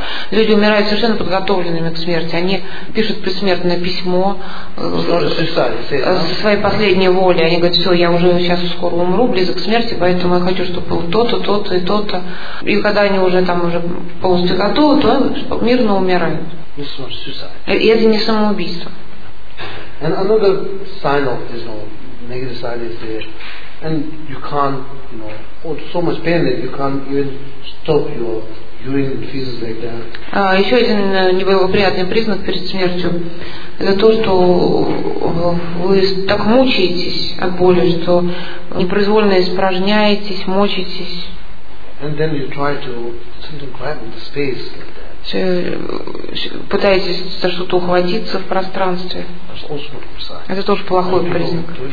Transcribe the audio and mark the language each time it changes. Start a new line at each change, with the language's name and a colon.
Russian: Люди умирают совершенно подготовленными к смерти. Они пишут предсмертное письмо со своей последней воли. Они говорят, все, я уже сейчас скоро умру, близок к смерти, поэтому я хочу, чтобы было то-то, то-то и то-то. И когда они уже там уже полностью готовы, то мирно умирают. И это не самоубийство.
English: And another sign of this negative side is there. And you can't, you know, or so much pain that you can't even stop your urine and feces like that.
Russian: Еще один неблагоприятный признак перед смертью – это то, что вы так мучаетесь от боли, что непроизвольно испражняетесь, мучаетесь.
English: And then you try to something grab in the space like that.
Russian: Пытаетесь за что-то ухватиться в пространстве. Это тоже плохой признак.